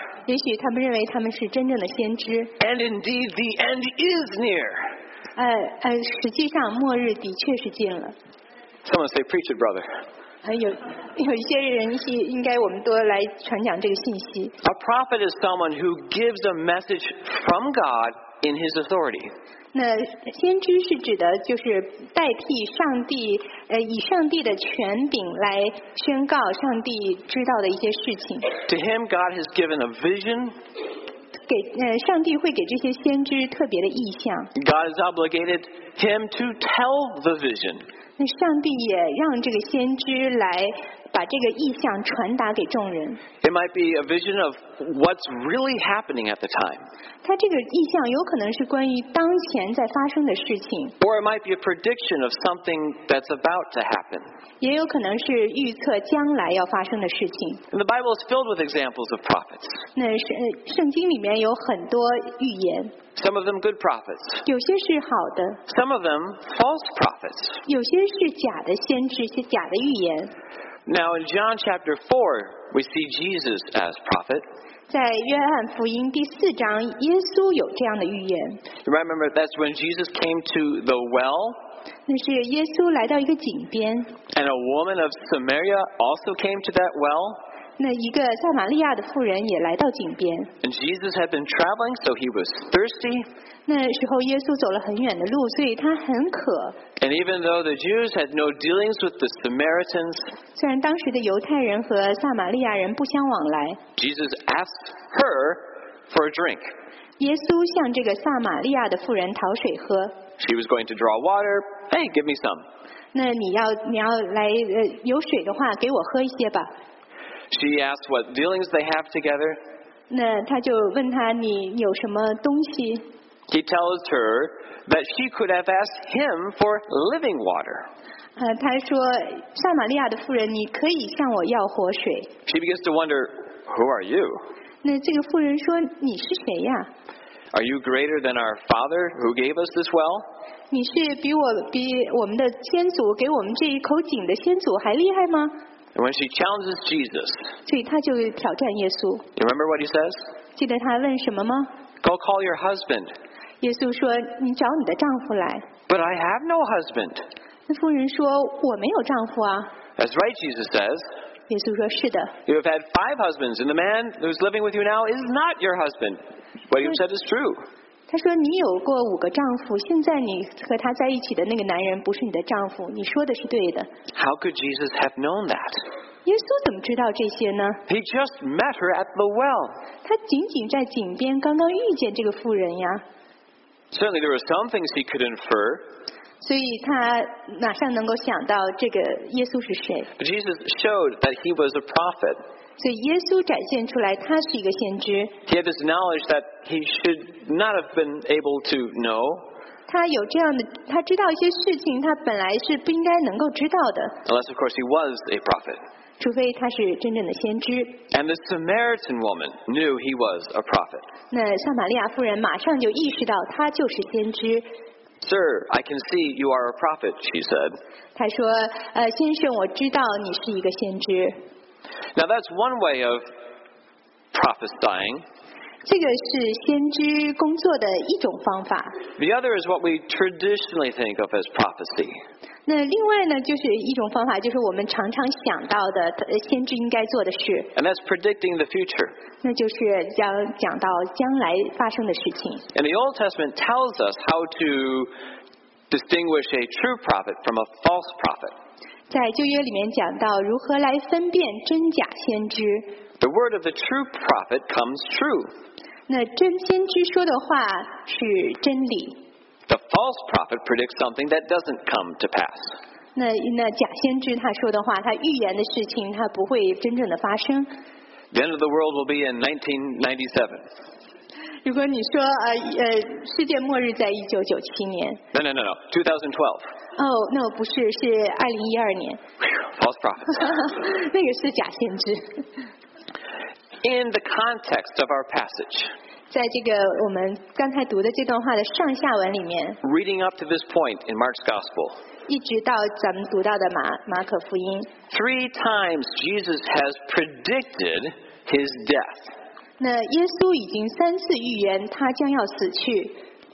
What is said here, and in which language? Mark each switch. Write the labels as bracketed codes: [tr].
[zh] 也许他们认为他们是真正的先知。 [en] And indeed, the end is near. [zh] 实际上末日的确是近了。 [en] Someone say, preach it, brother. [zh] 有一些人应该我们多来传讲这个信息。 [en] A prophet is someone who gives a message from God in his authority. [zh] 那先知是指的就是代替上帝，以上帝的权柄来宣告上帝知道的一些事情。 [en] To him, God has given a vision. [zh] 给上帝会给这些先知特别的意象。 [en] God has obligated him to tell the vision. [zh] 那上帝也让这个先知来把这个意象传达给众人。 [en] It might be a vision of what's really happening at the time. [zh] 他这个意象有可能是关于当前在发生的事情。 [en] Or it might be a prediction of something that's about to happen. [zh] 也有可能是预测将来要发生的事情。 [en] And the Bible is filled with examples of prophets. [zh] 那圣经里面有很多预言。 [en] Some of them good prophets. [zh] 有些是好的。 [en] Some of them false prophets. [zh] 有些是假的先知，是假的预言。 [en] Now in John chapter 4, we see Jesus as prophet. [zh] 在约翰福音第四章，耶稣有这样的预言。 [en] Remember, that's when Jesus came to the well. [zh] 那是耶稣来到一个井边。 [en] And a woman of Samaria also came to that well. [zh] 那一个撒玛利亚的妇人也来到井边。 [en] And Jesus had been traveling, so he was thirsty. [zh] 那时候耶稣走了很远的路，所以他很渴。 [en] And even though the Jews had no dealings with the Samaritans, [zh] 虽然当时的犹太人和撒玛利亚人不相往来， [en] Jesus asked her for a drink. [zh] 耶稣向这个撒玛利亚的妇人讨水喝。 [en] She was going to draw water. Hey, give me some. [zh] 那你要来有水的话，给我喝一些吧。 [en] She asked what dealings they have together. [zh] 那他就问他你有什么东西。 [en] He tells her that she could have asked him for living water. [zh] 他说撒玛利亚的妇人你可以向我要活水。 [en] She begins to wonder, who are you? [zh] 那这个妇人说你是谁呀？ [en] Are you greater than our father who gave us this well? [zh] 你是比我们的先祖给我们这一口井的先祖还厉害吗？ [en] And when she challenges Jesus, [zh] 所以他就挑战耶稣。 [en] You remember what he says? [zh] 记得他问什么吗？ [en] Go call your husband. [zh] 耶稣说你找你的丈夫来。 [en] But I have no husband. [zh] 那妇人说我没有丈夫啊。 [en] That's right, Jesus says. [zh] 耶稣说是的。 [en] You have had five husbands, and the man who's living with you now is not your husband. What you said is true. [zh] 他说你有过五个丈夫，现在你和他在一起的那个男人不是你的丈夫，你说的是对的。 [en] How could Jesus have known that? [zh] 耶稣怎么知道这些呢？ [en] He just met her at the well. [zh] 他仅仅在井边刚刚遇见这个妇人呀。 [en] Certainly, there were some things he could infer. [zh] 所以他马上能够想到这个耶稣是谁。 [en] Jesus showed that he was a prophet. [zh] 所以耶稣展现出来他是一个先知。 [en] He had this knowledge that he should not have been able to know. [zh] 他有这样的，他知道一些事情，他本来是不应该能够知道的。 [en] Unless, of course, he was a prophet. [zh] 除非他是真正的先知。 [en] And the Samaritan woman knew he was a prophet. [zh] 那撒玛利亚夫人马上就意识到他就是先知。 [en] Sir, I can see you are a prophet, she said. [zh] 他说，先生，我知道你是一个先知。 [en] Now that's one way of prophesying. [zh] 这个是先知工作的一种方法。 [en] The other is what we traditionally think of as prophecy. [zh] 那另外呢，就是一种方法，就是我们常常想到的先知应该做的事。 [en] And that's predicting the future. [zh] 那就是讲到将来发生的事情。 [en] And the Old Testament tells us how to distinguish a true prophet from a false prophet. [zh] 在旧约里面讲到如何来分辨真假先知。 [en] The word of the true prophet comes true. [zh] 那真先知说的话是真理。 [en] The false prophet predicts something that doesn't come to pass. [zh] 那假先知他说的话，他预言的事情，他不会真正的发生。 [en] The end of the world will be in 1997. [zh] 如果你说世界末日在1997年。 [en] No, 2012. Oh, no, [zh] 不是，是2012年。 [en] False prophet. [zh] 那个是假先知。 [en] In the context of our passage. [zh] 在这个我们刚才读的这段话的上下文里面 [en] ，Reading up to this point in Mark's Gospel， [zh] 一直到咱们读到的马可福音 [en] ，Three times Jesus has predicted his death。 [zh] 那耶稣已经三次预言他将要死去。